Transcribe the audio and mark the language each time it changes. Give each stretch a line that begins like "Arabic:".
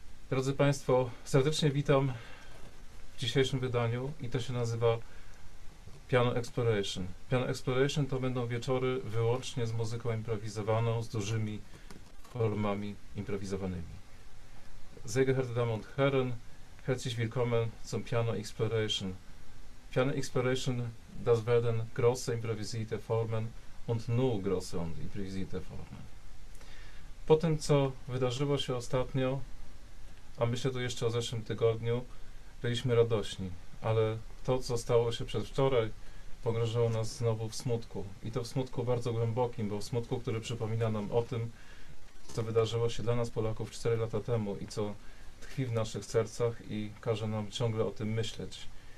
Polish: Drodzy Państwo, serdecznie witam w dzisiejszym wydaniu i to się nazywa Piano Exploration. Piano Exploration to będą wieczory wyłącznie z muzyką improwizowaną, z dużymi formami improwizowanymi.
German: Sehr geehrte Damen und Herren, herzlich willkommen zum Piano Exploration. Piano Exploration, das werden große improvisierte Formen und nur große und improvisierte Formen.
Polish: Po tym, co wydarzyło się ostatnio, a myślę tu jeszcze o zeszłym tygodniu, byliśmy radośni, ale to, co stało się przedwczoraj, pogrążało nas znowu w smutku. I to w smutku bardzo głębokim, bo w smutku, który przypomina nam o tym, co wydarzyło się dla nas Polaków 4 lata temu i co tkwi w naszych sercach i każe nam ciągle o tym myśleć.